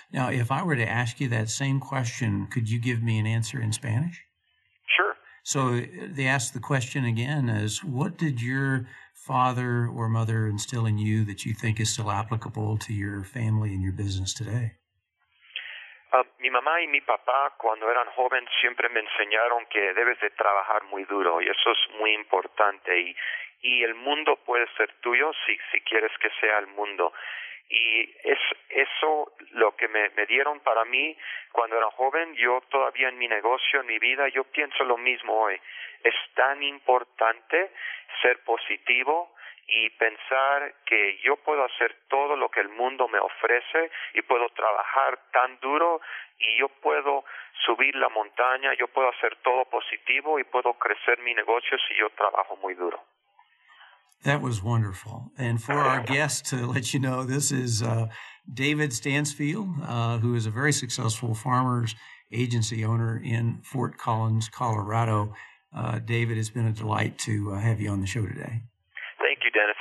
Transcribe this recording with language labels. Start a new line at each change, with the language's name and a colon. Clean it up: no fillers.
English: Now, if I were to ask you that same question, could you give me an answer in Spanish? Sure. So they asked the question again as, what did your father or mother instill in you that you think is still applicable to your family and your business today?
Spanish: Mi mamá y mi papá, cuando eran jóvenes, siempre me enseñaron que debes de trabajar muy duro. Y eso es muy importante. Y el mundo puede ser tuyo si quieres que sea el mundo. Y eso lo que me dieron para mí cuando era joven, yo todavía en mi negocio, en mi vida, yo pienso lo mismo hoy. Es tan importante ser positivo y pensar que yo puedo hacer todo lo que el mundo me ofrece y puedo trabajar tan duro y yo puedo subir la montaña, yo puedo hacer todo positivo y puedo crecer mi negocio si yo trabajo muy duro.
English: That was wonderful. And for our guest, to let you know, this is David Stansfield, who is a very successful Farmers agency owner in Fort Collins, Colorado. David, it's been a delight to have you on the show today. Thank you, Dennis.